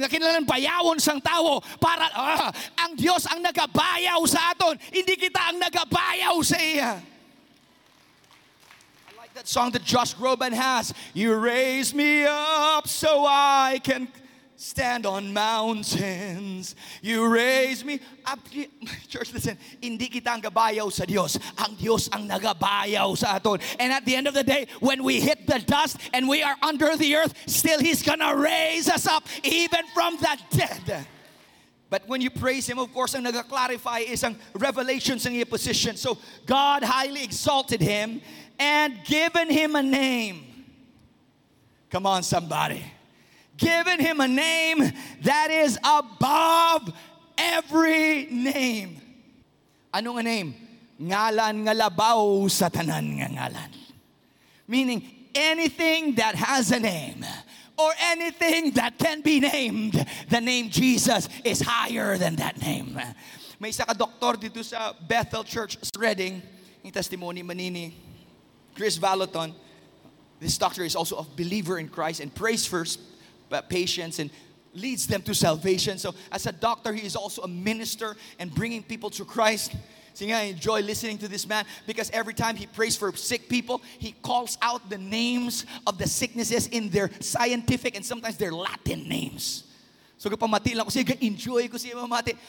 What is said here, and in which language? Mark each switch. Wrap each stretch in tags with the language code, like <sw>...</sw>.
<hil>Nga kinalan bayawon sang tao para ang Dios ang nagabayaw sa aton. Hindi kita ang nagabayaw sa iya.</hil> <en>I like that song that Josh Groban has. You raise me up so I can stand on mountains. You raise me up. Church, listen.</en> <hil>Hindi kita ang gabayaw sa Diyos. Ang Diyos ang nagabayaw sa aton.</hil> <en>And at the end of the day, when we hit the dust and we are under the earth, still He's gonna raise us up even from the dead. But when you praise Him, of course, ang nag-clarify is ang revelations ng iyong position. So, God highly exalted Him and given Him a name. Come on, somebody. Given him a name that is above every name.</en> <hil>Ano nga name? Ngalan nga labaw sa tanan nga ngalan.</hil> <en>Meaning, anything that has a name or anything that can be named, the name Jesus is higher than that name.</en> <hil>May isa ka doktor dito sa Bethel Church, Reading. Yung testimony manini, Chris Valoton.</hil> <en>This doctor is also a believer in Christ and prays for patients and leads them to salvation. So as a doctor, he is also a minister and bringing people to Christ. See, I enjoy listening to this man because every time he prays for sick people, he calls out the names of the sicknesses in their scientific and sometimes their Latin names.</en> <hil>So kapag mati lang ko siya, enjoy ko siya mamati.</hil>